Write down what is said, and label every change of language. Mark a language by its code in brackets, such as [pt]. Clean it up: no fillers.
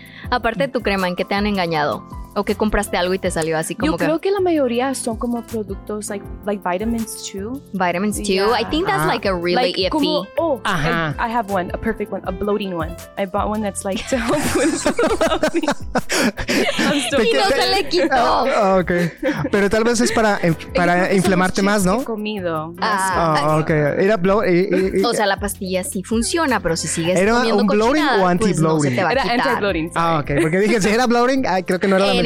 [es] Aparte de tu crema, ¿en qué te han engañado? O que compraste algo y te salió así como yo creo que la mayoría son como productos [en] like vitamins too. Vitamins too. Yeah. I think that's like a really like iffy. [es] Como, [en] oh, uh-huh. I have one, a perfect one, a bloating one. I bought one that's like to help with bloating. I'm sorry. [es] Y no se le quitó. [en] Okay. [es] Pero tal vez es para inflamarte más, ¿no? He comido. Okay. Era bloating. O sea, la pastilla sí funciona, pero si sigues comiendo cochinada, era un bloating o anti-bloating. Pues no, era anti-bloating. Ah, okay. Porque dije si era bloating, creo que no era.